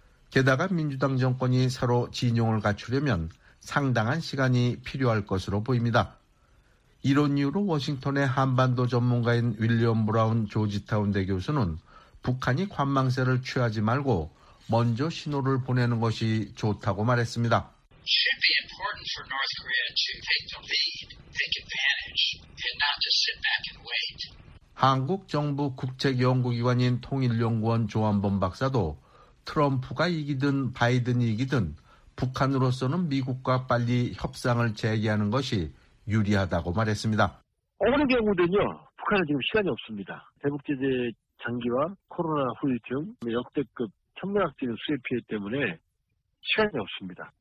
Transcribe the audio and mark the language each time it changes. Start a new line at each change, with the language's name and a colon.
Korean: 게다가 민주당 정권이 새로 진영을 갖추려면 상당한 시간이 필요할 것으로 보입니다. 이런 이유로 워싱턴의 한반도 전문가인 윌리엄 브라운 조지타운 대 교수는 북한이 관망세를 취하지 말고 먼저 신호를 보내는 것이 좋다고 말했습니다.
English: Should be important for North Korea to take the lead, take advantage, and not just sit back and wait.
Korean: 한국 정부 국책연구기관인 통일연구원 조한범 박사도 트럼프가 이기든 바이든이 이기든 북한으로서는 미국과 빨리 협상을 재개하는 것이 유리하다고 말했습니다. 어느 경우든요, 북한은 지금 시간이 없습니다. 대북 제재 장기화, 코로나 후유증, 역대급 천문학적인 수혜 피해 때문에 시간이 없습니다.